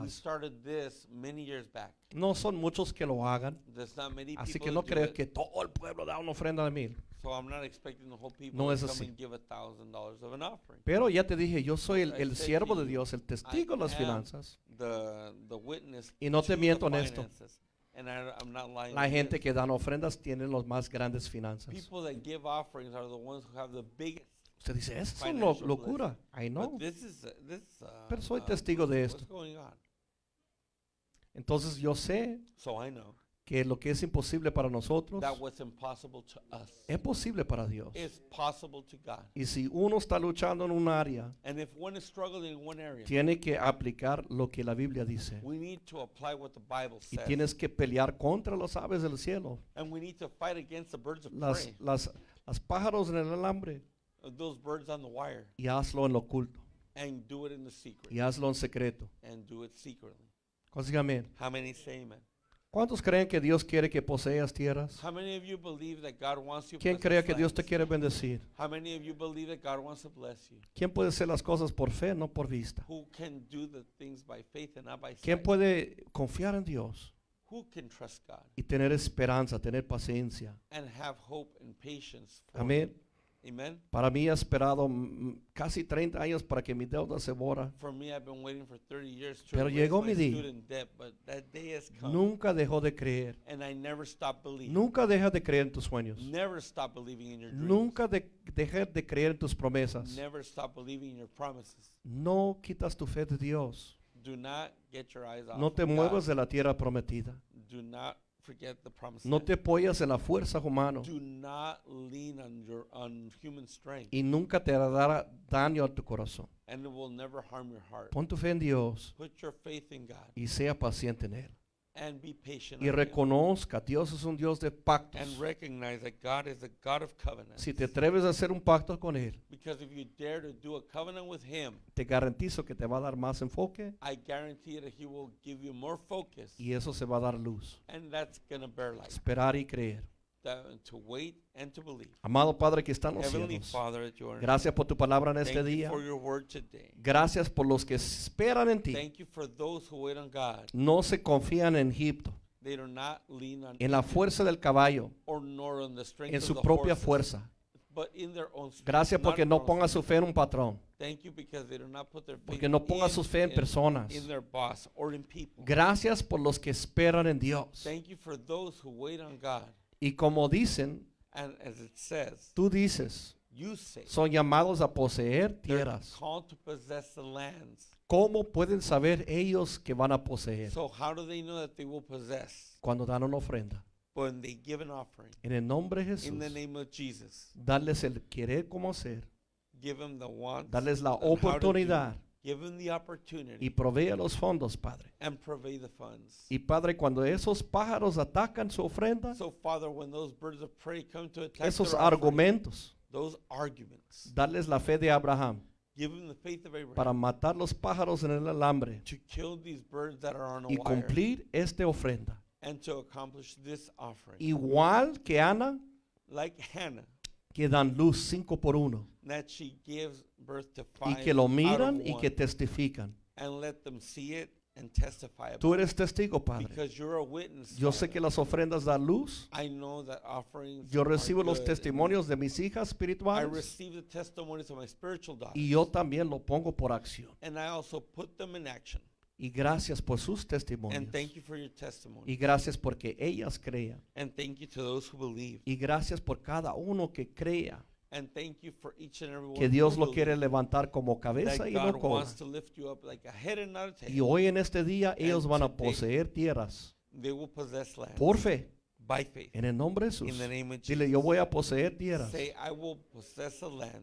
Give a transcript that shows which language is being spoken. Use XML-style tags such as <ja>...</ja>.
<en>We started this many years back.</en> <es>No son muchos que lo hagan.</es> <en>There's not many people.</en> <es>Así que no creo que todo el pueblo da una ofrenda de mil.</es> <en>So I'm not expecting the whole people</en> <es>no</es> <en>to</en> <es>es</es> <en>come</en> <es>así.</es> <en>And give $1,000 of an offering.</en> <es>Pero ya te dije, yo soy el siervo de Dios, el testigo de las finanzas.</es> <en>The witness.</en> <es>Y no te miento en esto.</es> <en>And I'm not lying.</en> <es>La gente que dan ofrendas tienen los más grandes finanzas.</es> <en>People that give offerings are the ones who have the biggest.</en> <es>Usted dice, eso es una locura.</es> <en>I know. But this is</en> <es>pero soy testigo de esto.</es> <en>What's going on?</en> <es>Entonces yo sé.</es> <en>So I know.</en> <es>Que lo que es imposible para nosotros.</es> <en>That what's impossible to us.</en> <es>Es posible para Dios.</es> <en>Is possible to God.</en> <es>Y si uno está luchando en un área.</es> <en>And if one is struggling in one area.</en> <es>Tiene que aplicar lo que la Biblia dice.</es> <en>We need to apply what the Bible says.</en> <es>Y tienes que pelear contra las aves del cielo.</es> <en>And we need to fight against the birds of prey.</en> <es>Las pájaros en el alambre.</es> <en>Those birds on the wire.</en> <es>Y hazlo en lo oculto.</es> <en>And do it in the secret.</en> <es>Y hazlo en secreto.</es> <en>And do it secretly.</en> <es>Consígame.</es> <en>How many say amen?</en> <es>¿Cuántos creen que Dios quiere que poseas tierras?</es> <en>How many of you believe that God wants you?</en> <es>¿Quién cree que Dios te quiere bendecir?</es> <en>How many of you believe that God wants to bless you?</en> <es>¿Quién puede hacer las cosas por fe, no por vista?</es> <en>Who can do the things by faith and not by sight?</en> <es>¿Quién puede confiar en Dios?</es> <en>Who can trust God?</en> <es>Y tener esperanza, tener paciencia.</es> <en>And have hope and patience.</en> <es>Amén.</es> <en>Amen.</en> <es>Para mí he esperado casi 30 años para que mi deuda se borra.</es> <en>For me, I've been waiting for 30 years to</en> <es>pero llegó mi día.</es> <en>Debt, but that day has come.</en> <es>Nunca dejó de creer.</es> <en>And I never stopped believing.</en> <es>Nunca deja de creer en tus sueños.</es> <en>Never stop believing in your dreams.</en> <es>Nunca deja de creer en tus promesas.</es> <en>Never stop believing in your promises.</en> <es>No quitas tu fe de Dios.</es> <en>Do not get your eyes off</en> <es>no te</es> <en>God.</en> <es>Muevas de la tierra prometida.</es> <en>Do not forget the promise.</en> <es>No te apoyas en la fuerza humana.</es> <en>Do not lean on human strength.</en> <es>Y nunca te hará daño a tu corazón.</es> <en>And it will never harm your heart.</en> <es>Pon tu fe en Dios.</es> <en>Put your faith in God.</en> <es>Y sea paciente en él.</es> <en>And be patient.</en> <es>Y reconozca, Dios es un Dios de pactos.</es> <en>And recognize that God is a God of covenants.</en> <es>Si te atreves a hacer un pacto con él.</es> <en>Because if you dare to do a covenant with him.</en> <es>Te garantizo que te va a dar más enfoque.</es> <en>I guarantee that he will give you more focus.</en> <es>Y eso se va a dar luz.</es> <en>And that's going to bear light.</en> <es>Esperar y creer.</es> <en>to wait and to believe.</en> <es>Amado Padre que está en los</es> <en>Heavenly</en> <es>cielos,</es> <en>Father,</en> <es>gracias por tu palabra en</es> <en>thank</en> <es>este día.</es> <en>You for your word today.</en> <es>Gracias por los que esperan en ti.</es> <en>Thank you for those who wait on God.</en> <es>No se confían en Egipto.</es> <en>They do not lean on</en> <es>en la fuerza del caballo,</es> <en>or nor on the strength</en> <es>en su</es> <en>of the</en> <es>propia</es> <en>horses,</en> <es>fuerza.</es> <en>But in their own strength,</en> <es>gracias porque no ponga su fe en un patrón.</es> <en>Thank you because they do not put their faith</en> <es>porque no ponga su fe en personas.</es> <en>In their boss or in people.</en> <es>Gracias por los que esperan en Dios.</es> <en>Thank you for those who wait on God.</en> <es>Y como dicen,</es> <en>and as it says,</en> <es>tú dices,</es> <en>you say,</en> <es>son llamados a poseer tierras.</es> <en>They're called to possess the lands.</en> <es>¿Cómo pueden saber ellos que van a poseer?</es> <en>So how do they know that they will possess?</en> <es>Cuando dan una ofrenda.</es> <en>When they give an offering.</en> <es>En el nombre de Jesús.</es> <en>In the name of Jesus.</en> <es>Darles el querer como ser.</es> <en>Give them the want.</en> <es>Darles la oportunidad.</es> <en>Give them the opportunity.</en> <es>Y provee los fondos, Padre.</es> <en>And provee the funds.</en> <es>Y Padre, cuando esos pájaros atacan su ofrenda.</es> <en>So Father, when those birds of prey come to attack</en> <es>esos argumentos.</es> <en>Offering, those arguments.</en> <es>Darles la fe de Abraham.</es> <en>Give them the faith of Abraham.</en> <es>Para matar los pájaros en el alambre.</es> <en>To kill these birds that are on a</en> <es>y cumplir esta ofrenda.</es> <en>And to accomplish this offering.</en> <es>Igual que Ana.</es> <en>Like Hannah.</en> <es>Que dan luz cinco por uno.</es> <en>That she gives birth to five</en> <es>y que lo miran</es> <en>out of</en> <es>y</es> <en>one.</en> <es>Que testifican.</es> <en>And let them see it and testify about</en> <es>tú eres testigo, Padre.</es> <en>Because you're a witness.</en> <es>Yo sé que las ofrendas dan luz.</es> <en>I know that offerings</en> <es>yo recibo los testimonios de mis hijas espirituales.</es> <en>I receive the testimonies of my spiritual daughters.</en> <es>Y yo también lo pongo por acción.</es> <en>And I also put them in action.</en> <es>Y gracias por sus testimonios.</es> <en>And thank you for your testimony.</en> <es>Y gracias porque ellas crean.</es> <en>And thank you to those who believe.</en> <es>Y gracias por cada uno que crea.</es> <en>And thank you for each and every one</en> <es>que Dios lo quiere levantar como cabeza y no cola.</es> <en>Wants to lift you up like a head and not a tail.</en> <es>Y hoy en este día ellos</es> <en>and</en> <es>van a poseer tierras.</es> <en>They will possess land.</en> <es>Por fe.</es> <en>By faith.</en> <es>En el nombre de Jesús.</es> <en>In the name of Jesus.</en> <es>Dile, yo voy a poseer tierras.</es> <en>Say, I will possess the land.</en>